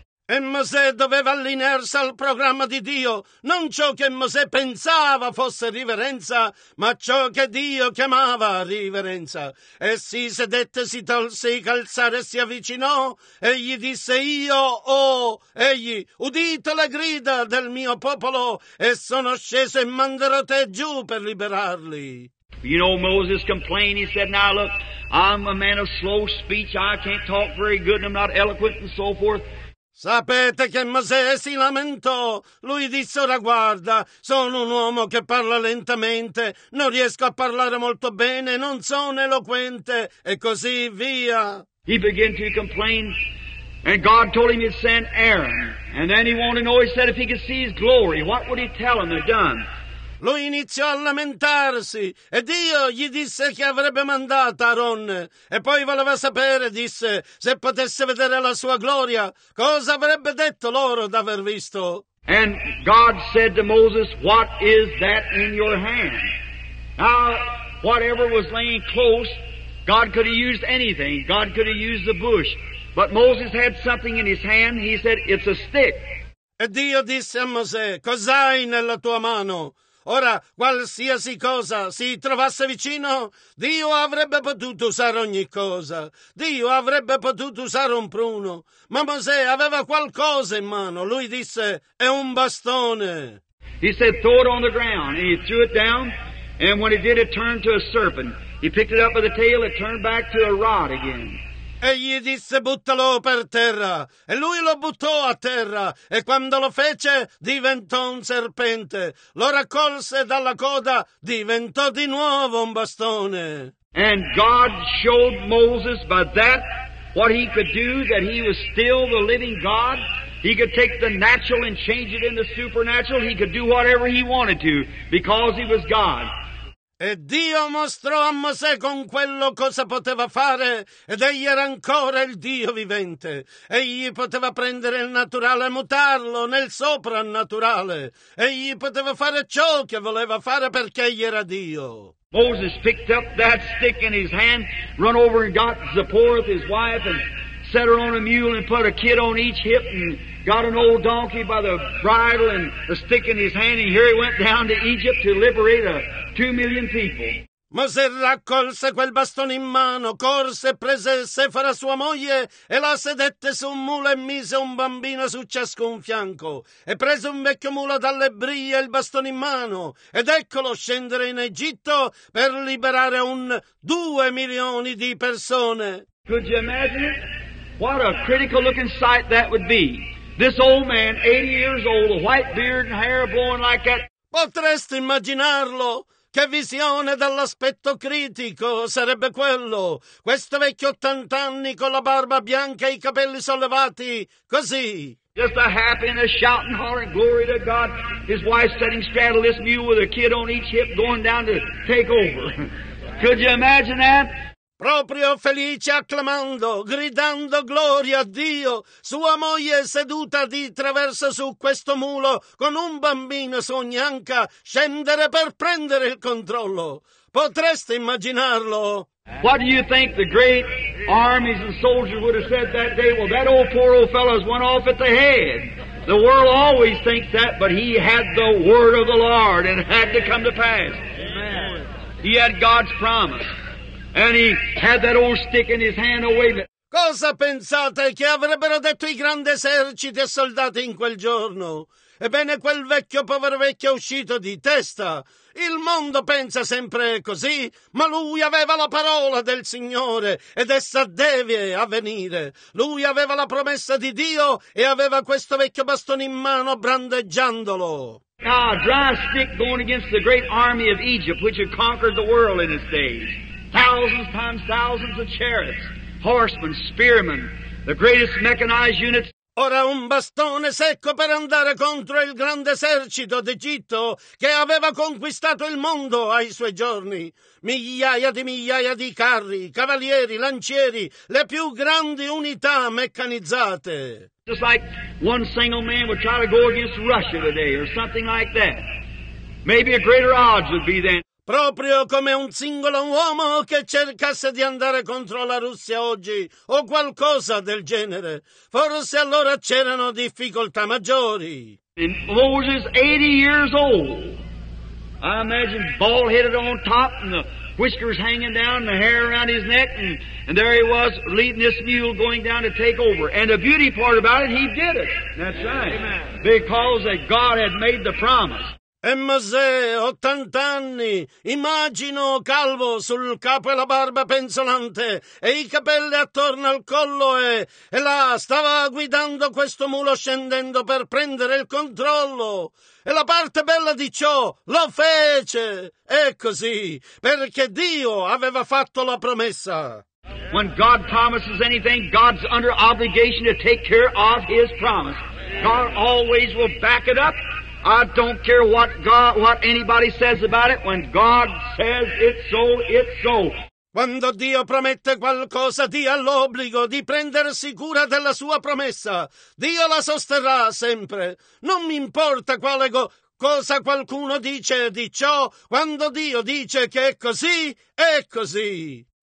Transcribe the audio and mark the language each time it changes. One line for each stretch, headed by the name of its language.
Italian: E Mosè doveva allinearsi al programma di Dio, non ciò che Mosè pensava fosse riverenza, ma ciò che Dio chiamava riverenza. E si sedette, si tolse i calzari e si avvicinò, e gli disse, io ho, egli, udito le grida del mio popolo, e sono sceso e manderò te giù per liberarli.
English: You know, Moses complained. He said, now look, I'm a man of slow speech, I can't talk very good, I'm not eloquent and so forth.
Italian: Sapete che Mosè si lamentò. Lui disse, ora guarda, sono un uomo che parla lentamente, non riesco a parlare molto bene, non sono eloquente, e così via.
English: He began to complain, and God told him he'd send Aaron. And then he wanted to know, he said, if he could see his glory, what would he tell him they'd done?
Italian: Lui iniziò a lamentarsi, e Dio gli disse che avrebbe mandato Aaron, e poi voleva sapere, disse, se potesse vedere la sua gloria, cosa avrebbe detto loro d'aver visto.
English: And God said to Moses, what is that in your hand? Now, whatever was laying close, God could have used anything, God could have used the bush, but Moses had something in his hand, he said, it's a stick.
Italian: E Dio disse a Mosè, cos'hai nella tua mano? Ora, qualsiasi cosa si trovasse vicino, Dio avrebbe potuto usare ogni cosa. Dio avrebbe potuto usare un pruno. Ma Mosè aveva qualcosa in mano. Lui disse, è un bastone.
English: He said, throw it on the ground. And he threw it down. And when he did, it turned to a serpent. He picked it up by the tail, it turned back to a rod again.
Italian: E gli disse, buttalo per terra. E lui lo buttò a terra. E quando lo fece, diventò un serpente. Lo raccolse dalla coda, diventò di nuovo un bastone.
English: And God showed Moses by that what he could do, that he was still the living God. He could take the natural and change it into supernatural. He could do whatever he wanted to, because he was God.
Italian: E Dio mostrò a Mosè con quello cosa poteva fare, ed egli era ancora il Dio vivente. Egli poteva prendere il naturale e mutarlo nel soprannaturale. Egli poteva fare ciò che voleva fare perché egli era Dio.
English: Moses picked up that stick in his hand, run over and got Zipporah, his wife, and set her on a mule and put a kid on each hip and got an old donkey by the bridle and the stick in his hand, and here he went down to Egypt to liberate a 2 million people.
Italian: Mosè raccolse quel bastone in mano, corse e prese Sefora sua moglie e la sedette su un mulo e mise un bambino su ciascun fianco e prese un vecchio mulo dall'Ebria e il bastone in mano ed eccolo scendere in Egitto per liberare 2 milioni di persone.
English: Could you imagine it? What a critical looking sight that would be. This old man, 80 years old, a white beard and hair blowing like that.
Italian: Potresti immaginarlo? Che visione dall'aspetto critico sarebbe quello? Questo vecchio 80 anni con la barba bianca e i capelli sollevati, così.
English: Just a happy and a shouting heart, and glory to God. His wife sitting straddle this mule with a kid on each hip going down to take over. Could you imagine that?
Italian: Proprio felice, acclamando, gridando gloria a Dio, sua moglie seduta di traverso su questo mulo con un bambino su ogni anca, scendere per prendere il controllo. Potreste immaginarlo?
English: What do you think the great armies and soldiers would have said that day? Well, that old poor old fellow's went off at the head. The world always thinks that, but he had the word of the Lord and it had to come to pass. Amen. He had God's promise. And he had that old stick in his hand away.
Italian: Cosa pensate che avrebbero detto i grandi eserciti e soldati in quel giorno? Ebbene, quel vecchio povero vecchio è uscito di testa. Il mondo pensa sempre così, ma lui aveva la parola del Signore ed essa deve avvenire. Lui aveva la promessa di Dio e aveva questo vecchio bastone in mano brandeggiandolo.
English: Now, a dry stick going against the great army of Egypt, which had conquered the world in its days. Thousands times thousands of chariots, horsemen, spearmen, the greatest mechanized units.
Italian: Ora un bastone secco per andare contro il grande esercito d'Egitto che aveva conquistato il mondo ai suoi giorni. Migliaia di migliaia di carri, cavalieri, lancieri, le più grandi unità meccanizzate.
English: Just like one single man would try to go against Russia today or something like that. Maybe a greater odds would be then.
Italian: Proprio come un singolo uomo che cercasse di andare contro la Russia oggi o qualcosa del genere. Forse allora c'erano difficoltà maggiori.
English: And Moses, 80 years old. I imagine bald-headed on top and the whiskers hanging down and the hair around his neck. And there he was leading this mule going down to take over. And the beauty part about it, he did it. That's right. Amen. Because that God had made the promise.
Italian: E Mosè, 80 anni, immagino calvo sul capo e la barba penzolante e i capelli attorno al collo e là stava guidando questo mulo scendendo per prendere il controllo. E la parte bella di ciò lo fece. È così, perché Dio aveva fatto la promessa.
English: When God promises anything, God's under obligation to take care of His promise. God always will back it up. I don't care what God, what anybody says about it. When God says it's so, it's so.
Italian: Quando Dio promette qualcosa, Dio ha l'obbligo di prendersi cura della sua promessa. Dio la sosterrà sempre. Non mi importa quale cosa qualcuno dice di ciò. Quando Dio dice che è così, è così.